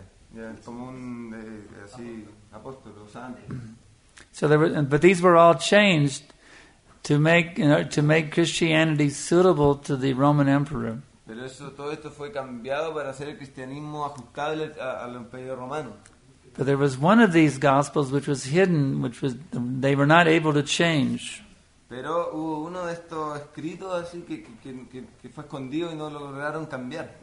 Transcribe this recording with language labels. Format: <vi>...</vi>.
<en>But these were all changed to make, you know, to make Christianity suitable to the Roman emperor.</en> <es>Pero eso, todo esto fue cambiado para hacer el cristianismo ajustable al imperio romano.</es> <en>But there was one of these gospels which was hidden, which was they were not able to change.</en> <es>Pero hubo uno de estos escritos así que fue escondido y no lo lograron cambiar.</es>